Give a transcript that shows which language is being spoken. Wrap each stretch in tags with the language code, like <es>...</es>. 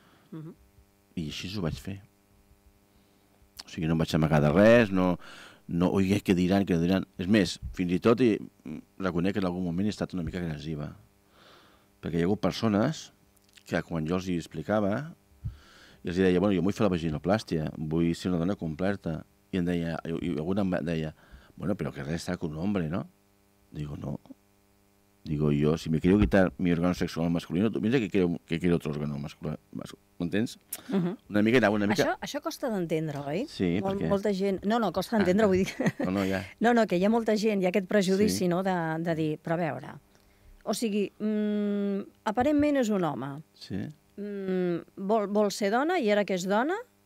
<ca>Uh-huh. I així ho vaig fer. O sigui, no em vaig amagar de res, no, oi, què diran? És més, fins i tot reconec que en algun moment he estat una mica agressiva. Perquè hi ha hagut persones que quan jo els hi explicava, i els deia, bueno, jo vull fer la vaginoplàstia, vull ser una dona completa. I em deia, i alguna em deia, bueno, però que res tracta un home, no?</ca> <es>Digo, no. Digo, jo, si me quiero quitar mi órgano sexual masculí, tu piensa que quiero otro órgano masculí.</es> <ca>M'entens? Uh-huh. Una mica i una mica... Això costa d'entendre, oi? Sí, perquè... Molta gent... No, costa d'entendre, vull dir... No, ja. No, que hi ha molta gent, hi ha aquest prejudici, sí. No, de dir, però a veure... O sigui, aparentment és un home. Sí. Vol ser dona i ara que és dona...</ca>